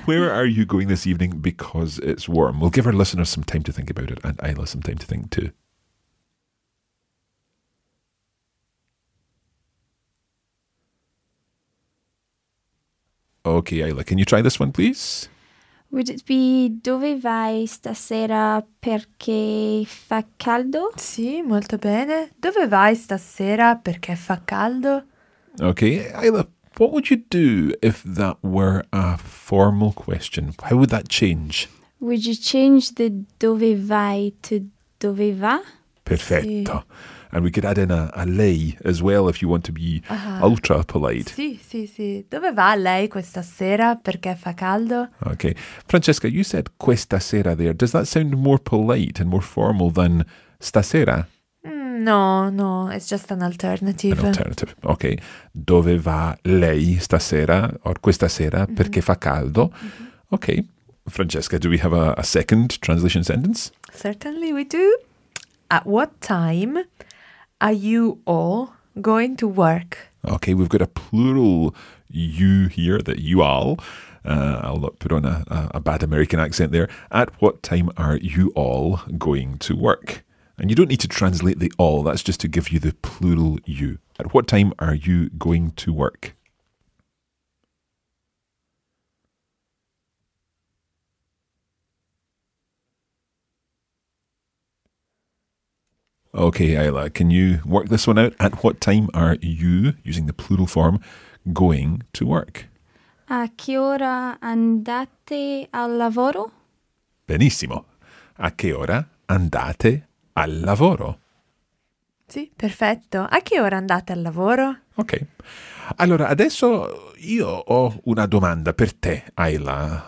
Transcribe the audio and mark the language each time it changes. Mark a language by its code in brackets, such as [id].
[en] Where are you going this evening because it's warm? We'll give our listeners some time to think about it and Ayla some time to think too. Okay, Ayla, can you try this one, please? Would it be [it] dove vai stasera perché fa caldo? Sì, molto bene. Dove vai stasera perché fa caldo? [en] Okay, Ayla, what would you do if that were a formal question? How would that change? Would you change the [it] dove vai [en] to [it] dove va? Perfetto. Sì. [en] And we could add in a lei as well if you want to be ultra polite. [it] Sì, sì, sì. Dove va lei questa sera perché fa caldo? [en] Okay. Francesca, you said [it] questa sera [en] there. Does that sound more polite and more formal than stasera? No, it's just an alternative. An alternative. Okay. [it] Dove va lei stasera or questa sera perché fa caldo? [en] Mm-hmm. Okay. Francesca, do we have a second translation sentence? Certainly we do. At what time are you all going to work? Okay, we've got a plural you here, that you all. I'll not put on a bad American accent there. At what time are you all going to work? And you don't need to translate the all, that's just to give you the plural you. At what time are you going to work? Okay, Ayla, can you work this one out? At what time are you, using the plural form, going to work? [it] A che ora andate al lavoro? Benissimo. A che ora andate al lavoro? Sì, perfetto. A che ora andate al lavoro? Ok. Allora, adesso io ho una domanda per te, Ayla.